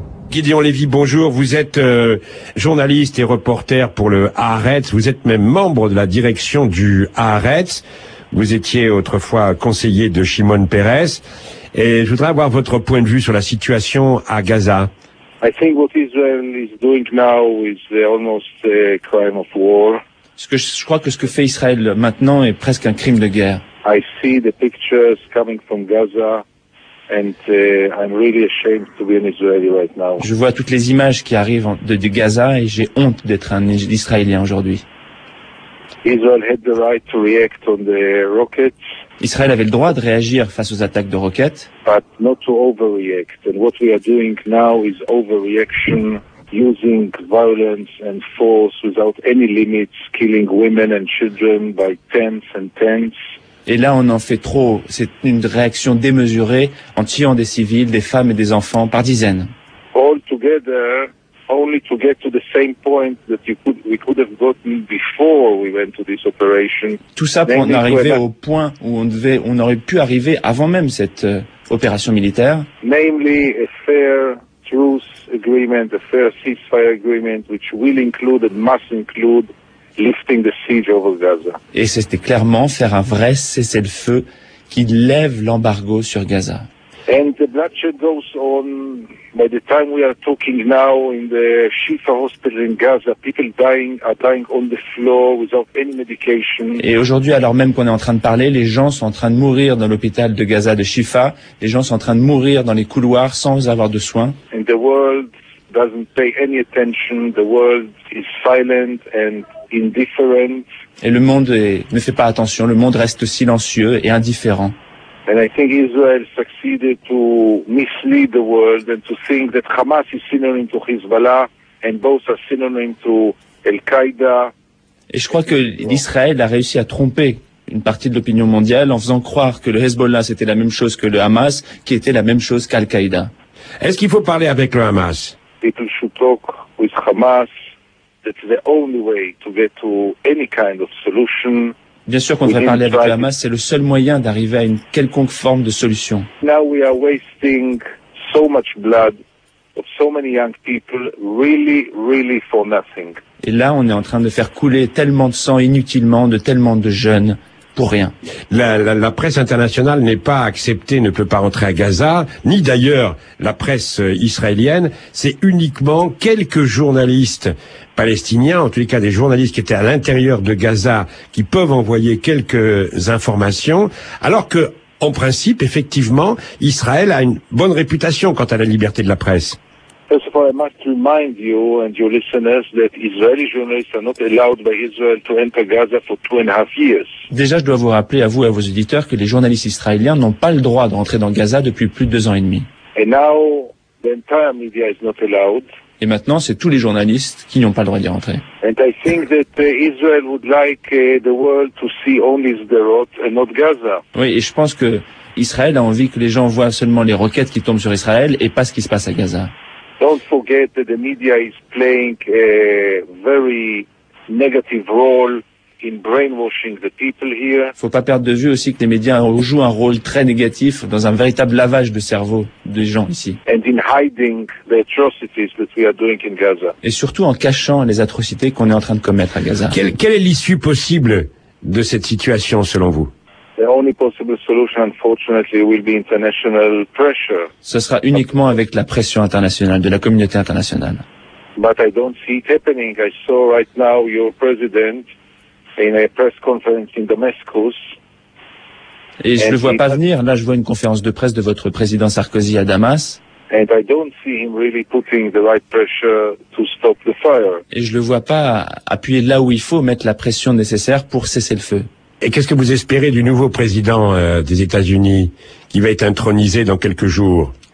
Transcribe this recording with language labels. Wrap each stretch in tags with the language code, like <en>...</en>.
<fr>Gideon Lévy, bonjour. Vous êtes journaliste et reporter pour le Haaretz. Vous êtes même membre de la direction du Haaretz. Vous étiez autrefois conseiller de Shimon Peres. Et je voudrais avoir votre point de vue sur la situation à Gaza.</fr> <en>I think what Israel is doing now is almost a crime of war.</en> <fr>Je crois que ce que fait Israël maintenant est presque un crime de guerre.</fr> <en>I see the pictures coming from Gaza and I'm really ashamed to be an Israeli right now.</en> <fr>Je vois toutes les images qui arrivent de Gaza et j'ai honte d'être un Israélien aujourd'hui.</fr> <en>Israel had the right to react on the rockets.</en> <fr>Israël avait le droit de réagir face aux attaques de roquettes.</fr> <en>But not to overreact. And what we are doing now is overreaction, using violence and force without any limits, killing women and children by tens and tens.</en> <fr>Et là, on en fait trop. C'est une réaction démesurée en tuant des civils, des femmes et des enfants par dizaines.</fr> <en>All together, only to get to the same point that we could have gotten before we went to this operation.</en> <fr>Tout ça pour en arriver au point où on aurait pu arriver avant même cette opération militaire.</fr> <en>Namely, a fair truce agreement, a fair ceasefire agreement, which will include and must include lifting the siege over Gaza.</en> <fr>Et c'était clairement faire un vrai cessez-le-feu qui lève l'embargo sur Gaza.</fr> <en>And the bloodshed goes on. By the time we are talking now, in the Shifa hospital in Gaza, people are dying on the floor without any medication.</en> <fr>Et aujourd'hui, alors même qu'on est en train de parler, les gens sont en train de mourir dans l'hôpital de Gaza de Shifa. Les gens sont en train de mourir dans les couloirs sans avoir de soins.</fr> <en>And the world doesn't pay any attention. The world is silent and indifferent.</en> <fr>Et le monde ne fait pas attention. Le monde reste silencieux et indifférent.</fr> <en>And I think Israel succeeded to mislead the world and to think that Hamas is synonym to Hezbollah and both are synonym to Al-Qaeda.</en> <fr>Et je crois que l'Israël a réussi à tromper une partie de l'opinion mondiale en faisant croire que le Hezbollah c'était la même chose que le Hamas, qui était la même chose qu'Al-Qaeda. Est-ce qu'il faut parler avec le Hamas?</fr> <en>People should talk with Hamas. That's the only way to get to any kind of solution.</en> <fr>Bien sûr qu'on devrait parler avec le Hamas, c'est le seul moyen d'arriver à une quelconque forme de solution.</fr> <en>Now we are wasting so much blood of so many young people, really, really for nothing.</en> <fr>Et là, on est en train de faire couler tellement de sang inutilement de tellement de jeunes pour rien. La presse internationale n'est pas acceptée, ne peut pas rentrer à Gaza, ni d'ailleurs la presse israélienne. C'est uniquement quelques journalistes palestiniens, en tous les cas des journalistes qui étaient à l'intérieur de Gaza, qui peuvent envoyer quelques informations, alors que, en principe, effectivement, Israël a une bonne réputation quant à la liberté de la presse.</fr> <en>First of all, I must remind you and your listeners that Israeli journalists are not allowed by Israel to enter Gaza for 2.5 years.</en> <fr>Déjà, je dois vous rappeler à vous et à vos auditeurs que les journalistes israéliens n'ont pas le droit d'entrer dans Gaza depuis plus de 2 ans et demi.</fr> <en>And now the entire media is not allowed.</en> <fr>Et maintenant, c'est tous les journalistes qui n'ont pas le droit d'y rentrer.</fr> <en>And I think that Israel would like the world to see only Sderot and not Gaza.</en> <fr>Oui, et je pense que Israël a envie que les gens voient seulement les roquettes qui tombent sur Israël et pas ce qui se passe à Gaza.</fr> <en>Don't forget that the media is playing a very negative role in brainwashing the people here.</en> <fr>Faut pas perdre de vue aussi que les médias jouent un rôle très négatif dans un véritable lavage de cerveau des gens ici.</fr> <en>And in hiding the atrocities that we are doing in Gaza.</en> <fr>Et surtout en cachant les atrocités qu'on est en train de commettre à Gaza. Quelle est l'issue possible de cette situation selon vous?</fr> <en>The only possible solution, unfortunately, will be international pressure.</en> <fr>Ce sera uniquement avec la pression internationale, de la communauté internationale.</fr> <en>But I don't see it happening. I saw right now your president in a press conference in Damascus</en> <fr>Et je ne le vois pas venir. Là, je vois une conférence de presse de votre président Sarkozy à Damas. Et je ne le vois pas appuyer là où il faut, mettre la pression nécessaire pour cesser le feu. Et qu'est-ce que vous espérez du nouveau président des États-Unis qui va être intronisé dans quelques jours?</fr>